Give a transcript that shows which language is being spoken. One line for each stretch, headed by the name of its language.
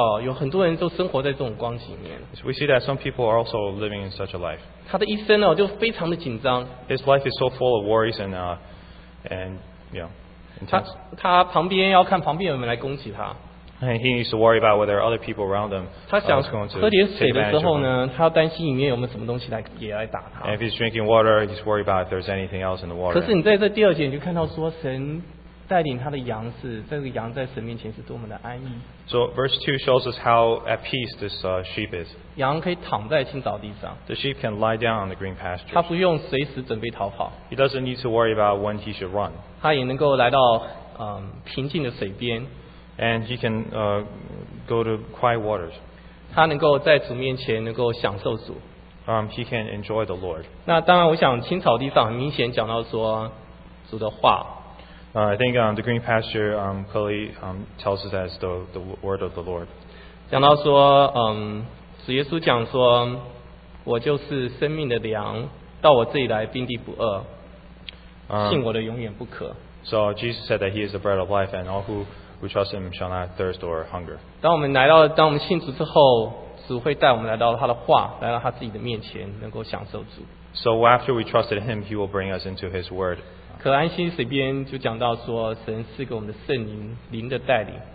Chinese: 哦，你知道，当我们信主之后，我们有时候看到一些旁边的人，我们会知道有很多人都生活在这种光景里面。So
English: we see that some people are also living in such a life.
Chinese: 他的一生呢，就非常的紧张。
English: His life is so full of worries and And yeah, you know, he needs to worry about whether other people around him are going to take advantage of him. And if he's drinking water, he's worried about if there's anything else in the water.
Chinese: 可是你在这第二节你就看到说，神带领他的羊是这个羊在神面前是多么的安逸。
English: So verse 2 shows us how at peace this sheep is.
Chinese: 羊可以躺在青草地上。
English: The sheep can lie down on the green pasture.
Chinese: 他不用随时准备逃跑。
English: He doesn't need to worry about when he should run.
Chinese: 他也能够来到 平静的水边。
English: And he can go to quiet waters.
Chinese: 他能够在主面前能够享受主。
English: He can enjoy the Lord.
Chinese: 那当然我想青草地上很明显讲到说主的话。
English: I think the green pasture clearly tells us that it's the word of the Lord.
Chinese: 讲到说, 主耶稣讲说, 我就是生命的粮, 到我这里来, 并地不饿, 信我的永远不渴。
English: So Jesus said that he is the bread of life, and all who trust him shall not thirst or hunger.
Chinese: 当我们信主之后, 主会带我们来到他的话, 来到他自己的面前, 能够享受主。
English: So after we trusted him, he will bring us into his word.
Chinese: 可安心水边就讲到说，神赐给我们的圣灵，灵的带领。